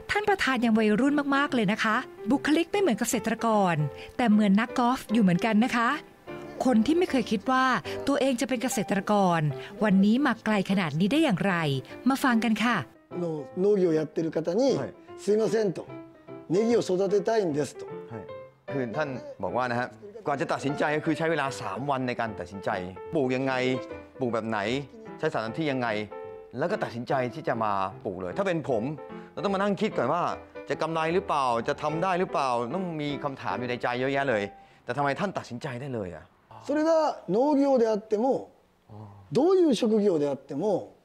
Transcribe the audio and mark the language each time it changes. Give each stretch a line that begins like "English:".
Thai: ประธานยังวัยรุ่นมากๆเลยนะคะบุคลิกไม่เหมือนเกษตรกรแต่เหมือนนักกอล์ฟอยู่เหมือนกันนะคะคนที่ไม่เคยคิดว่าตัวเองจะเป็นเกษตรกรวันนี้มาไกลขนาดนี้ได้อย่างไรมาฟังกันค่ะ
Japanese: 農業をやってる方にすいませんとネギを育てたいんですと
Thai: คือท่านบอกว่านะฮะก่อนจะตัดสินใจก็คือใช้เวลา3 วันในการตัดสินใจปลูกยังไงปลูกแบบไหนใช้สถานที่ยังไงแล้วก็ตัดสินใจที่จะมาปลูกเลยถ้าเป็นผมเราต้องมานั่งคิดก่อนว่าจะกำไรหรือเปล่าจะทำได้หรือเปล่าต้องมีคำถามอยู่ในใจเยอะแยะเลยแต่ทำไมท่านตัดสินใจได้เลยอ่ะ
Japanese: それが農業であってもどういう職業であっても